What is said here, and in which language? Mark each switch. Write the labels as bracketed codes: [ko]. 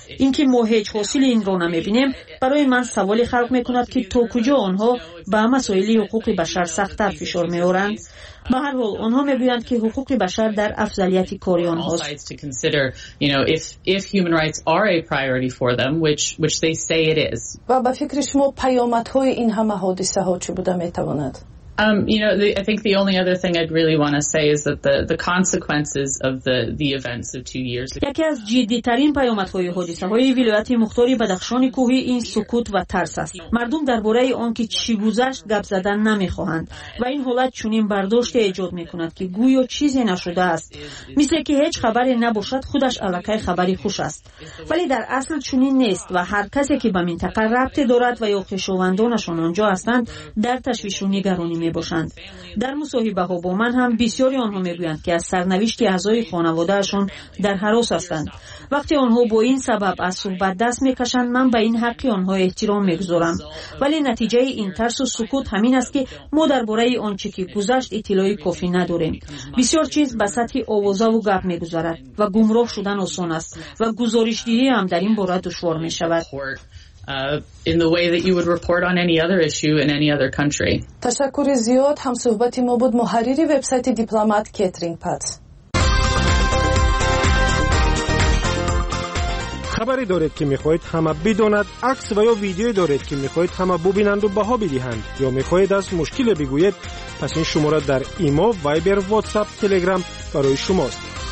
[fa] اینکه ما هیچ حاصل این را نمی بینیم برای من سوالی خلق می کند که تا کجا آنها به مسائل حقوق بشر سخت‌تر فشار می آورند. به هر حال آنها می گویند که حقوق بشر در افضلیت کاری آنهاست. و به فکر شما پیامت های این همه حادثه ها چه بوده می تواند؟ [en] I think the only other thing I'd really want to say is that the consequences of the events of 2 years ago. [fa] یکی از جدی‌ترین پیامدهای حادثه‌های ولایت مختار بدخشان کوهی این سکوت و ترس است. مردم درباره آن که چی گذشت گپ زدن نمی‌خواهند و این حالت چنین برداشت ایجاد می‌کند که گویا چیزی نشده است. مثل که هیچ خبری نباشد خودش الکی خبری خوش است. ولی در اصل چنین نیست و هر کسی که به منطقه رابطه دارد و یا خویشاوندانشان آنجا هستند در تشویش و نگرانی می باشند. در مصاحبه ها با من هم بسیاری آنها می گویند که از سرنوشت اعضای خانواده اشان در هراس هستند. وقتی آنها با این سبب از صحبت دست می کشند من به این حقی آنها احترام می گذارم. ولی نتیجه این ترس و سکوت همین است که ما درباره آنچه که گذشت اطلاع کافی نداریم. بسیار چیز به سطح آوازه و گپ می گذارد و گمراه شدن آسان است و گزارش دهی هم در این باره دشوار می شود. [en] In the way that you would report on any other issue in any other country. [fa] تشکر زیاد. هم صحبتی ما بود محرری وبسایت دیپلمات کترین پات. خبری دارید که میخواهید همه بدونند؟ عکس و یا ویدیو دارید که میخواهید همه ببینند و بها بدهند یا میخواهید از مشکل بگویید؟ پس این شماره در ایمو، وایبر، واتساپ، تلگرام برای شماست.